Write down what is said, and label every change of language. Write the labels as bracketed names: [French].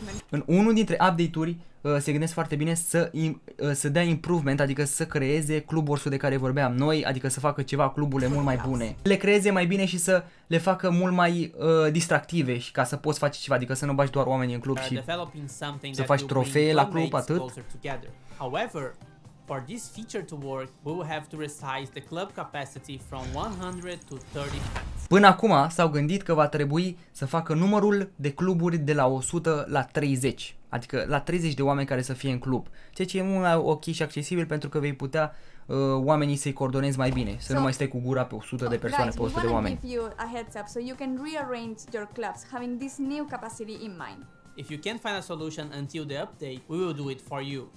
[Romanian] În unul dintre update-uri se gândesc foarte bine să dea improvement, adică să creeze cluburile de care vorbeam noi, adică să facă ceva cluburile mult mai bune. Le creeze mai bine și să le facă mult mai distractive și ca să poți face ceva, adică să nu bagi doar oamenii în club și să faci trofee la club, atât. [English] However, for this feature to work, we will have to resize the club capacity from 100 to 30. [Romanian] Până acum s-au gândit că va trebui să facă numărul de cluburi de la 100 la 30, adică la 30 de oameni care să fie în club, ceea ce e mult mai ok și accesibil pentru că vei putea oamenii să-i coordonezi mai bine, să nu mai stai cu gura pe 100 de persoane, pe 100 de oameni. [English] Guys, we want to give you a heads up so you can rearrange your clubs having this new capacity in mind. If you can't find a solution until the update, we will do it for you.